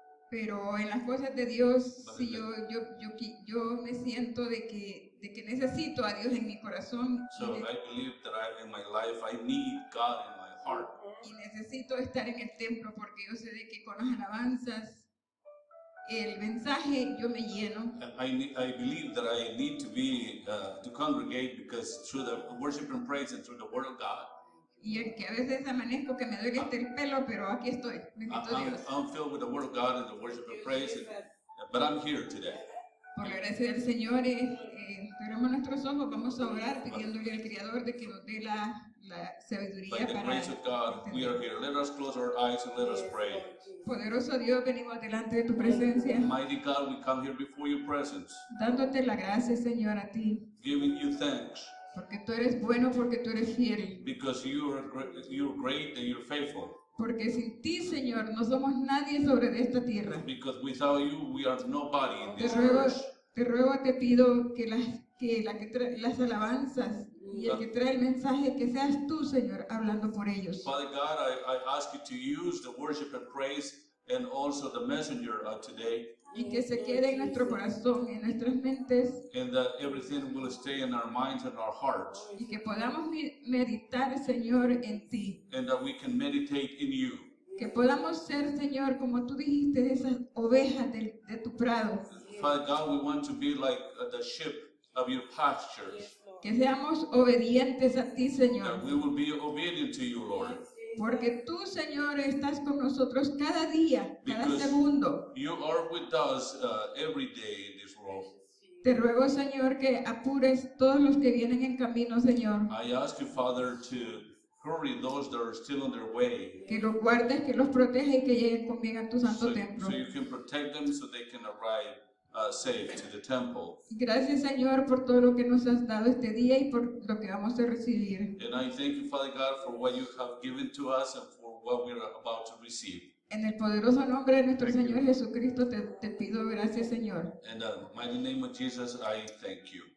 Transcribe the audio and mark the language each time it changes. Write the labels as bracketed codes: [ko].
[es] Pero en las cosas de Dios, si yo me siento de que necesito a Dios en mi corazón. [en] So I believe that I, in my life, I need God in my heart. [es] Y necesito estar en el templo porque yo sé de que con las alabanzas, el mensaje, yo me lleno. [en] I believe that I need to be to congregate because through the worship and praise and through the word of God. [es] Y es que a veces amanezco que me duele hasta el pelo, pero aquí estoy. [en] I'm filled with the word of God and the worship and praise, but I'm here today. [es] Por la gracia del Señor, cerramos nuestros ojos, vamos a orar pidiéndole al Creador de que nos dé la sabiduría para. [en] By the grace of God, we are here. Let us close our eyes and let us pray. [es] Poderoso Dios, venimos delante de tu presencia. [en] Mighty God, we come here before your presence. [es] Dándote la gracia, Señor, a ti. [en] Giving you thanks. [es] Porque tú eres bueno, porque tú eres fiel. [en] Because you're great and you're faithful. [es] Porque sin ti, Señor, no somos nadie sobre esta tierra. [en] Because without you, we are nobody in this earth. [es] Te ruego, te pido que las alabanzas y el que trae el mensaje, que seas tú, Señor, hablando por ellos. [en] Father God, I ask you to use the worship and praise and also the messenger today. [es] Y que se quede en nuestro corazón y en nuestras mentes. [en] And that everything will stay in our minds and our hearts. [es] Y que podamos meditar, Señor, en ti. [en] And that we can meditate in you. [es] Que podamos ser, Señor, como tú dijiste, esas ovejas de tu prado. [en] Father God, we want to be like the sheep of your pastures. [es] Que seamos obedientes a ti, Señor. [en] That we will be obedient to you, Lord. [es] Porque tú, Señor, estás con nosotros cada día, cada segundo. [en] You are with us every day in this world. [es] Te ruego, Señor, que apures todos los que vienen en camino, Señor. [en] I ask you, Father, to hurry those that are still on their way. [es] Que los guardes, que los proteja y que lleguen con bien a tu santo templo. [en] So you can protect them so they can arrive safe to the temple. [es] Gracias, Señor, por todo lo que nos has dado este día y por lo que vamos a recibir. [en] And I thank you, Father God, for what you have given to us and for what we are about to receive. [es] En el poderoso nombre de nuestro Señor Jesucristo, te pido gracias, Señor. [en] In the mighty name of Jesus, I thank you.